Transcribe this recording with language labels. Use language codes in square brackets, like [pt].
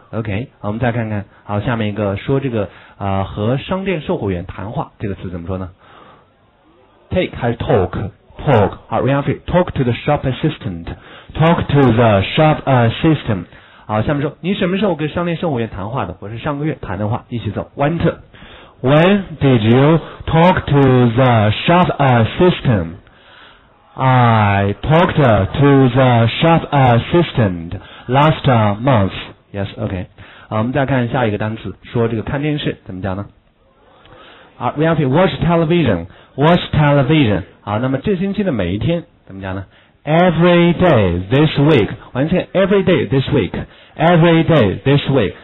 [zh] OK, 我们再看看。好，下面一个说这个和商店售货员谈话这个词怎么说呢 ？Take 还是 talk? 好 ，repeat. [en] Talk to the shop assistant. Talk to the shop assistant. [zh] 好，下面说你什么时候跟商店售货员谈话的？我是上个月谈的话，一起走。 [en] Went. When did you talk to the shop assistant? I talked to the shop assistant last month. Yes, okay. [zh] 好，我们再看下一个单词，说这个看电视怎么讲呢？ [en] 啊 ，we have to watch television. [zh] 好，那么这星期的每一天怎么讲呢 [en] ？Every day this week. Every day this week.